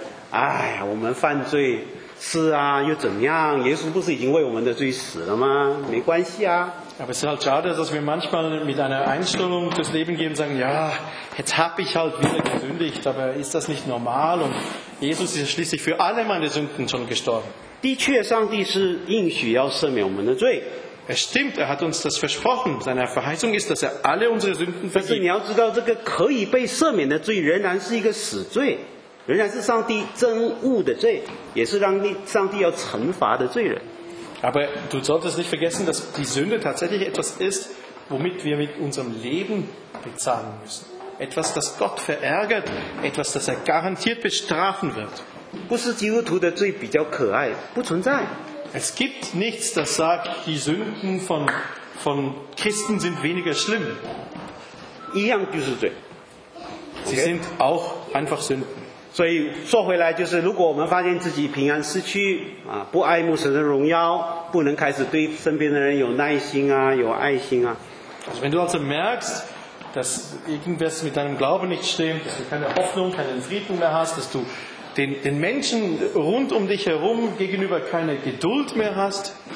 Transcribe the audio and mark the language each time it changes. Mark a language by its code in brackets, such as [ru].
[zh] 比较可惜的是，通常基督徒会觉得，哎呀，我们犯罪。是啊，又怎么样？耶稣不是已经为我们的罪死了吗？没关系啊。 [de] Aber es ist halt schade, dass wir manchmal mit einer Einstellung durchs Leben gehen und sagen, ja, jetzt habe ich halt wieder gesündigt, aber ist das nicht normal? Und Jesus ist schließlich für alle meine Sünden schon gestorben. [zh] 的确，上帝是应许要赦免我们的罪。 [de] Es stimmt, er hat uns das versprochen. Seine Verheißung ist, dass er alle unsere Sünden vergibt. [zh] 仍然是上帝憎恶的罪，也是让上帝要惩罚的罪人。 [de] Aber du solltest nicht vergessen, dass die Sünde tatsächlich etwas ist, womit wir mit unserem Leben bezahlen müssen. Etwas, das Gott verärgert, etwas, das er garantiert bestrafen wird. [zh] 不是基督徒的罪比较可爱，不存在。 [de] Es gibt nichts, das sagt, die Sünden von Christen sind weniger schlimm. [zh] 一样就是罪。 [de] Sie sind auch einfach Sünden. [zh] 所以说回来就是，如果我们发现自己平安失去，啊，不爱牧神的荣耀，不能开始对身边的人有耐心啊，有爱心啊。 [de] Also wenn du also merkst, dass irgendwas mit deinem Glauben nicht stimmt, dass du keine Hoffnung, keinen Frieden mehr hast, dass du den Menschen rund um dich herum gegenüber keine Geduld mehr hast,